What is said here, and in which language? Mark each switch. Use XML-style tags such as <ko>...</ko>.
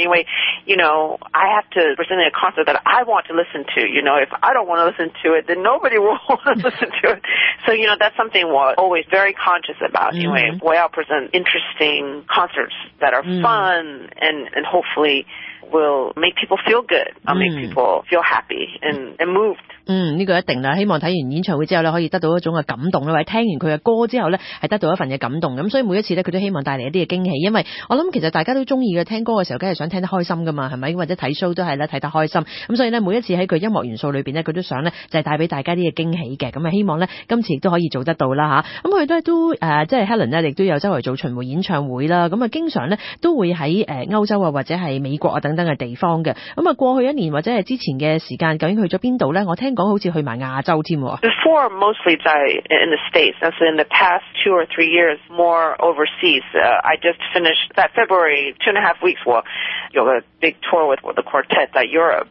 <en>Anyway, you know, I have to present a concert that I want to listen to. You know, if I don't want to listen to it, then nobody will want to listen to it. So, you know, that's something we're always very conscious about. Anyway, way I'll present interesting concerts that are fun and hopefully will make people feel good. I'll make people feel happy and moved.</en> <yue>嗯，这个一定啦，希望睇完演唱会之后呢可以得到一种感动，或者听完佢嘅歌之后呢係得到一份嘅感动。咁所以每一次呢佢都希望带嚟一啲嘅惊喜，因为我諗其实大家都鍾意嘅，听歌嘅时候梗係想听得开心㗎嘛，係咪？或者睇 show 都係呢睇得开心。咁所以呢每一次喺佢音乐元素里面呢佢都想呢就係带俾大家啲嘅惊喜嘅。咁希望呢今次都可以做得到啦。咁佢都即係 Helen 呢亦都有周围做巡回演唱会啦。咁经常呢都会喺欧洲或者系美国等等嘅地方嘅。咁过去一年或者之前嘅时间究竟去咗边度呢？我听讲好似去埋亚洲添。</yue> <en>Before mostly in the States. That's in the past 2 or 3 years more overseas. I just finished that February 2.5 weeks.</en> <yue>我有个</yue> <en>big tour with the quartet at Europe.</en>